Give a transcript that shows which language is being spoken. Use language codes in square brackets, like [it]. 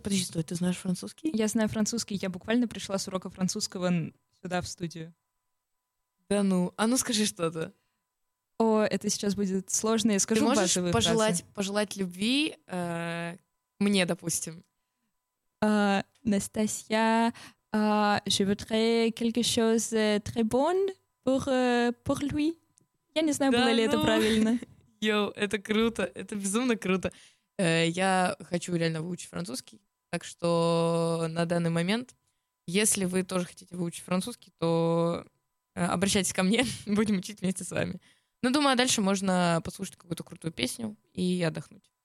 [ru] Подожди, стой, ты знаешь французский? Я знаю французский. Я буквально пришла с урока французского сюда, в студию. Да ну. А ну скажи что-то. О, это сейчас будет сложно. Я скажу базовые фразы. Ты можешь пожелать любви мне, допустим? [fr] Настасья, je voudrais quelque chose très bon pour lui. [ru] Я не знаю, да, было ли это правильно. Йоу, это круто, это безумно круто. Я хочу реально выучить французский, так что на данный момент, если вы тоже хотите выучить французский, то обращайтесь ко мне, будем учить вместе с вами. Ну, думаю, а дальше можно послушать какую-то крутую песню и отдохнуть.